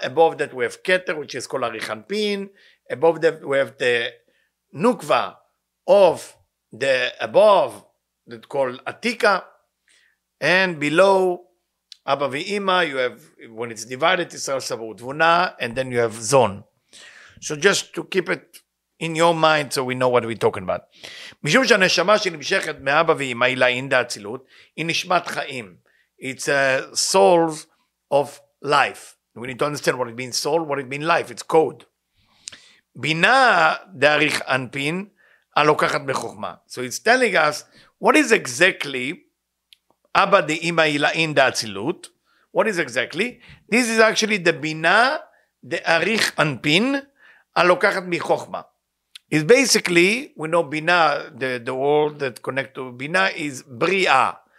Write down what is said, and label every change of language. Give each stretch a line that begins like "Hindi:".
English: Above that we have Keter, which is called Arichan Pin. Above that we have the Nukva of the above. That's called Atika. And below Abba v'Ima, you have, when it's divided, Yisrael, Sabur, Tvuna, and then you have Zon. So just to keep it in your mind so we know what we're talking about.
Hebrew: משום שהנשמה שנמשכת מאבא ואמא היא לעין דאצילות, היא נשמת חיים.
English: It's a soul of life. We need to understand what it means soul, what it means life. It's code.
Hebrew: בינה דאריך אנפין, הלוקחת בחוכמה.
English: So it's telling us, what is exactly Abba de Ima Ilain da Atzilut. What is exactly? This is actually the Bina de Arich Anpin alokachat mi Chochma. It's basically, we know Bina, the word that connects to Bina is Bria.